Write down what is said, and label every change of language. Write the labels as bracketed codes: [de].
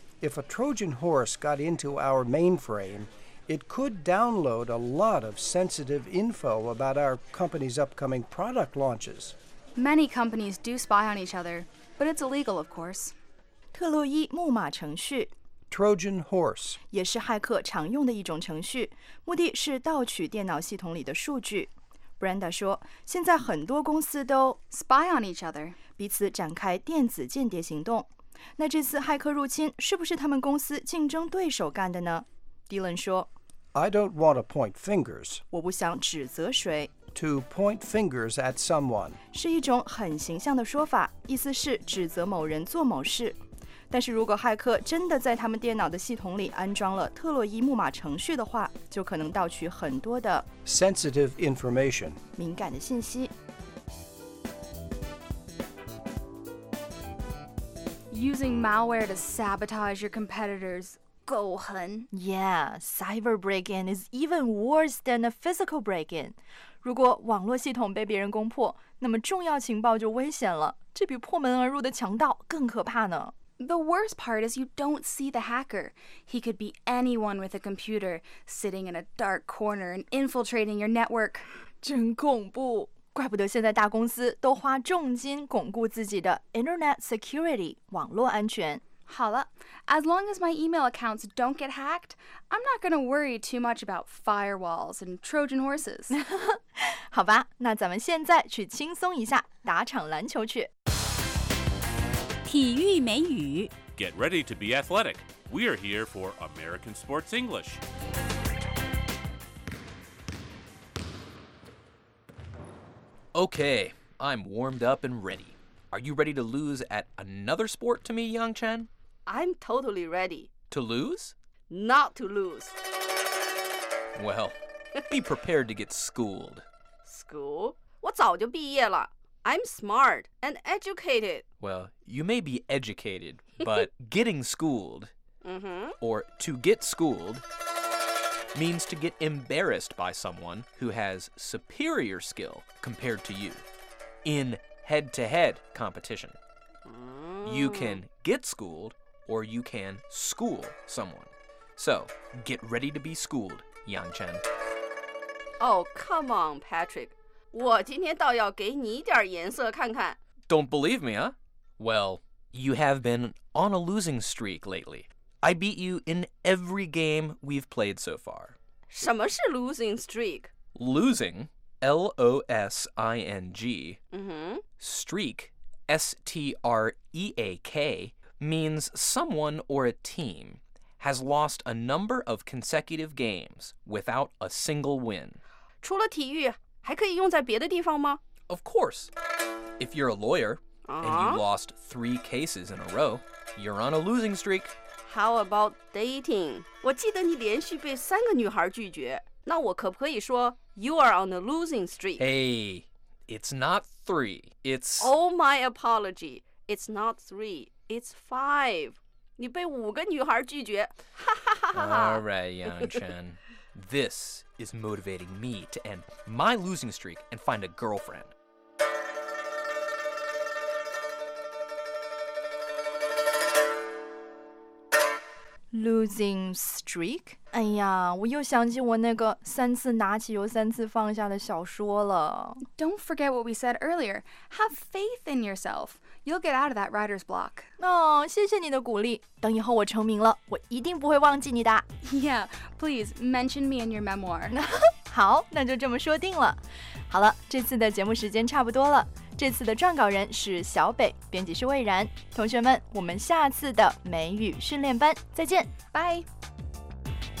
[en] If a Trojan horse got into our mainframe, it could download a lot of sensitive info about our company's upcoming product launches. Many companies do spy on each other, but it's illegal, of course. [zh] 特洛伊木马程序 [en] Trojan horse [zh] 也是骇客常用的一种程序，目的是盗取电脑系统里的数据。 Brenda 说，现在很多公司都 [en] spy on each other， [zh] 彼此展开电子间谍行动。那这次骇客入侵是不是他们公司竞争对手干的呢？ Dylan 说， [en] I don't want to point fingers， [zh] 我不想指责谁。 [en] To point fingers at someone [zh] 是一种很形象的说法，意思是指责某人做某事。但是如果骇客真的在他们电脑的系统里安装了特洛伊木马程序的话，就可能盗取很多的 [en] sensitive information [zh] 敏感的信息。 [en] Using malware to sabotage your competitors, [zh] 够狠。 [en] Yeah, cyber break-in is even worse than a physical break-in. [zh] 如果网络系统被别人攻破，那么重要情报就危险了，这比破门而入的强盗更可怕呢。 [en] The worst part is you don't see the hacker. He could be anyone with a computer, sitting in a dark corner and infiltrating your network. [zh] 真恐怖。怪不得现在大公司都花重金巩固自己的 [en] Internet Security, [zh] 网络安全。好了 [en] ,as long as my email accounts don't get hacked, I'm not going to worry too much about firewalls and Trojan horses. [zh] 好吧，那咱们现在去轻松一下，打场篮球去。体育美语。 [en] Get ready to be athletic. We are here for American Sports English. Okay, I'm warmed up and ready. Are you ready to lose at another sport to me, Yangchen? I'm totally ready. To lose? Not to lose. Well, be prepared to get schooled. School? [zh] 我早就毕业了。 [en] I'm smart and educated. Well, you may be educated, but getting schooled, or to get schooled, means to get embarrassed by someone who has superior skill compared to you in head-to-head competition. You can get schooled or you can school someone. So, get ready to be schooled, Yangchen. Oh, come on, Patrick. [zh] 我今天倒要给你点颜色看看。 [en] Don't believe me, huh? Well, you have been on a losing streak lately. I beat you in every game we've played so far. [zh] 什么是 [en] losing streak? Losing, L-O-S-I-N-G, streak, S-T-R-E-A-K, means someone or a team has lost a number of consecutive games without a single win. [zh] 除了体育,还可以用在别的地方吗? [en] Of course. If you're a lawyer, and you lost 3 cases in a row, you're on a losing streak. How about dating? [zh] 我记得你连续被三个女孩拒绝。那我可不可以说 [en] you are on a losing streak? Hey, it's not three. It's... Oh, my apology. It's not three. It's five. [zh] 你被五个女孩拒绝。 [en] All right, Yangchen. This is motivating me to end my losing streak and find a girlfriend. Losing streak? [zh] 哎呀，我又想起我那个三次拿起又三次放下的小说了。 [en] Don't forget what we said earlier. Have faith in yourself. You'll get out of that writer's block. [zh] 哦，谢谢你的鼓励。等以后我成名了，我一定不会忘记你的。 [en] Yeah, please mention me in your memoir. [zh] 好，那就这么说定了。好了，这次的节目时间差不多了。这次的撰稿人是小北，编辑是魏然。同学们，我们下次的美语训练班再见，拜。